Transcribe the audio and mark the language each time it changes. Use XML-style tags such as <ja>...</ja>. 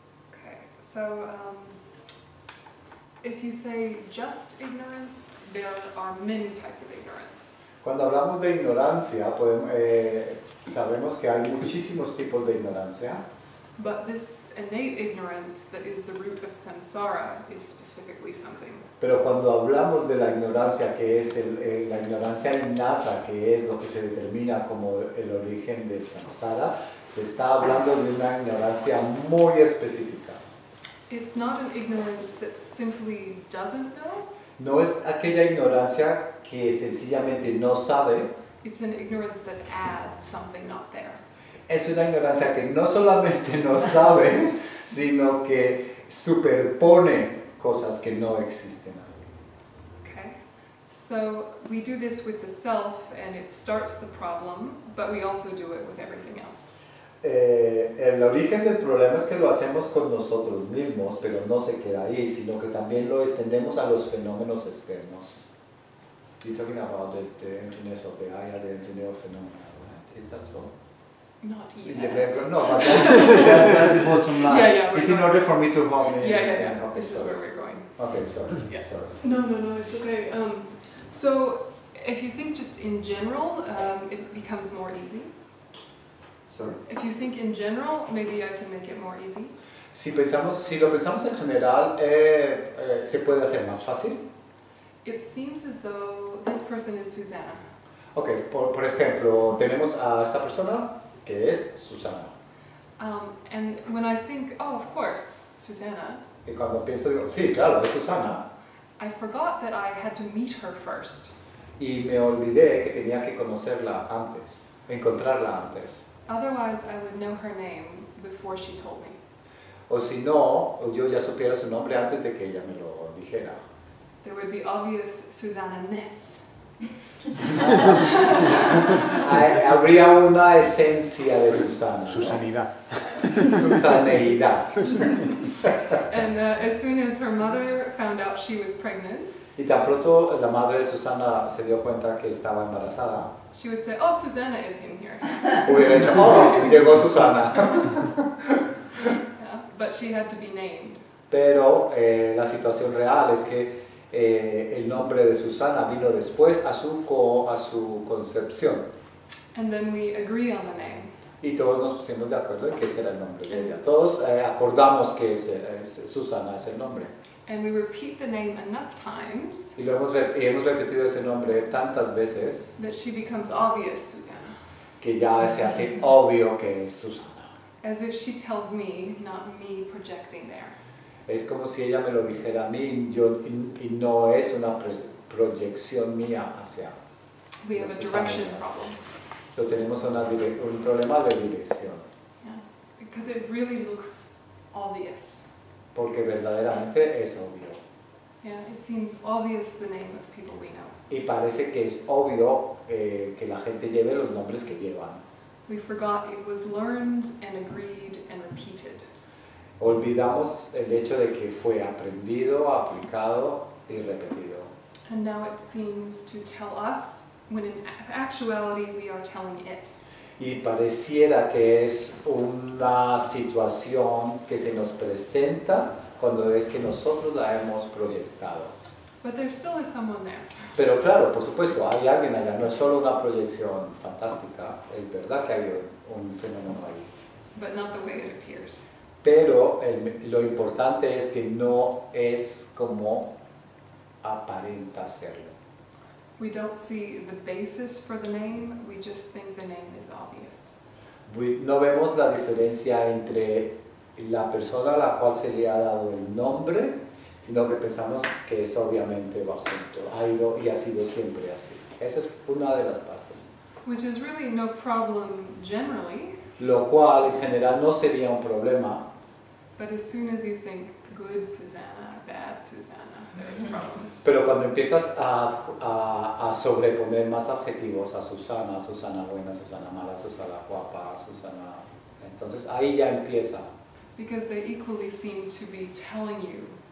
<en>Okay, so if you say just ignorance, there are many types of ignorance.</en> <es>Cuando hablamos de ignorancia, sabemos que hay muchísimos tipos de ignorancia.</es> <en>But this innate ignorance that is the root of samsara is specifically something.</en> <es>Pero cuando hablamos de la ignorancia que es la ignorancia innata, que es lo que se determina como el origen del samsara, se está hablando de una ignorancia muy específica.</es> <en>It's not an ignorance that simply doesn't know.</en> <es>No es aquella ignorancia que sencillamente no sabe.</es> <en>It's an ignorance that adds something not there.</en> <es>Es una ignorancia que no solamente no sabe, sino que superpone cosas que no existen.</es> <en>Okay. So we do this with the self and it starts the problem, but we also do it with everything else.</en> <es>El origen del problema es que lo hacemos con nosotros mismos, pero no se queda ahí, sino que también lo extendemos a los fenómenos externos.</es> <en>You're talking about the emptiness of the I, the emptiness of phenomena, right? Is that so? Not yet. That's the bottom line. Yeah, it's in order for me to hone in. Yeah. Okay, this is where we're going. Okay, sorry. Yeah. Sorry. No, it's okay. So, if you think just in general, it becomes more easy. If you think in general, maybe I can make it more easy.</en> <es>Si lo pensamos en general, se puede hacer más fácil.</es> <en>It seems as though this person is Susanna.</en> <es>Okay, por ejemplo, tenemos a esta persona que es Susana.</es> <en>And when I think, oh, of course, Susanna.</en> <es>Y cuando pienso, digo, sí, claro, es Susana.</es> <en>I forgot that I had to meet her first.</en> <es>Y me olvidé que tenía que conocerla antes, encontrarla antes.</es> <en>Otherwise, I would know her name before she told me.</en> <es>O si no, yo ya supiera su nombre antes de que ella me lo dijera.</es> <en>There would be obvious Susanna-ness.</en> <es>Habría una esencia de Susana. Susanidad. Susaneidad.</es> <en>And as soon as her mother found out she was pregnant,</en> <es>y tan pronto la madre de Susana se dio cuenta que estaba embarazada,</es> <en>she would say, oh, Susana is in here.</en> <es>Hubiera dicho, oh, llegó Susana.</es> <en>But she had to be named.</en> <es>Pero la situación real es que el nombre de Susana vino después a su concepción.</es> <en>And then we agree on the name.</en> <es>Y todos nos pusimos de acuerdo en que ese era el nombre de ella. Todos acordamos que Susana es el nombre.</es> <en>And we repeat the name enough times.</en> <es>Y hemos repetido ese nombre tantas veces.</es> <en>That she becomes obvious, Susana.</en> <es>Que ya se hace obvio que es Susana.</es> <en>As if she tells me, not me projecting there.</en> <es>Es como si ella me lo dijera a mí, yo, y no es una proyección mía hacia.</es> <en>We have a direction problem.</en> <es>Pero tenemos un problema de dirección.</es> <en>Yeah. Because it really looks obvious.</en> <es>Porque verdaderamente es obvio.</es> <en>Yeah, it seems obvious the name of people we know.</en> <es>Y parece que es obvio que la gente lleve los nombres que llevan.</es> <en>We forgot it was learned and agreed and repeated.</en> <es>Olvidamos el hecho de que fue aprendido, aplicado y repetido.</es> <en>And now it seems to tell us when in actuality we are telling it.</en> <es>Y pareciera que es una situación que se nos presenta cuando es que nosotros la hemos proyectado.</es> <en>But there still is someone there.</en> <es>Pero claro, por supuesto, hay alguien allá. No es solo una proyección fantástica. Es verdad que hay un fenómeno ahí.</es> <en>But not the way it appears.</en> <es>Pero lo importante es que no es como aparenta serlo.</es> <en>We don't see the basis for the name, we just think the name is obvious.</en> <es>No vemos la diferencia entre la persona a la cual se le ha dado el nombre, sino que pensamos que es obviamente va junto, ha ido y ha sido siempre así. Esa es una de las partes.</es> <en>Which is really no problem generally.</en> <es>Lo cual en general no sería un problema.</es> <en>But as soon as you think good Susana, bad Susana,</en> <es>pero cuando empiezas a sobreponer más adjetivos a Susana, Susana buena, Susana mala, Susana guapa, Susana, entonces ahí ya empieza.</es> <en>Because they equally seem to be telling you.</en>